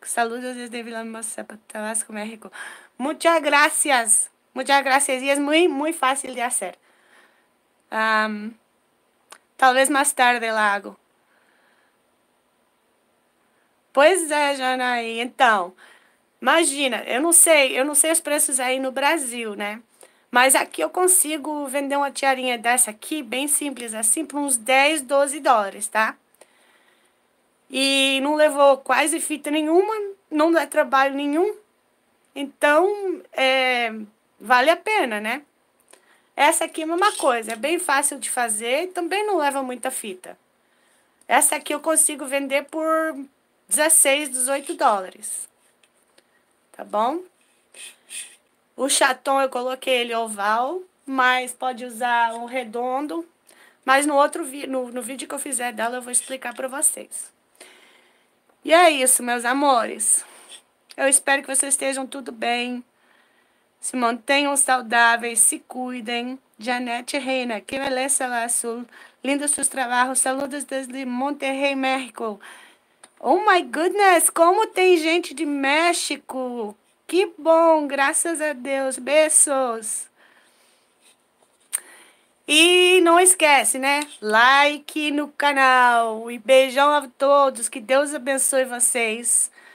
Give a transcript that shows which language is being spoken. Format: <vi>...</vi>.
<es>Saludos desde Vila Hermosa, Tabasco, México. Muchas gracias. Muchas gracias. Y es muy, muy fácil de hacer. Talvez más tarde lo hago.</es> <pt>Pois é, Janaí. Então, imagina, eu não sei os preços aí no Brasil, né? Mas aqui eu consigo vender uma tiarinha dessa aqui, bem simples assim, por uns 10, 12 dólares, tá? E não levou quase fita nenhuma, não dá trabalho nenhum. Então, vale a pena, né? Essa aqui é a mesma coisa, é bem fácil de fazer e também não leva muita fita. Essa aqui eu consigo vender por 16, 18 dólares. Tá bom? O chaton eu coloquei ele oval, mas pode usar um redondo. Mas no outro vídeo, no vídeo que eu fizer dela, eu vou explicar para vocês. E é isso, meus amores. Eu espero que vocês estejam tudo bem. Se mantenham saudáveis, se cuidem. Janete Reina, que beleza lá, azul. Lindos seus trabalhos.</pt> <es>Saludos desde Monterrey, México.</es> <en>Oh my goodness,</en> <pt>como tem gente de México. Que bom, graças a Deus. Beijos. E não esquece, né? Like no canal. E beijão a todos. Que Deus abençoe vocês.</pt>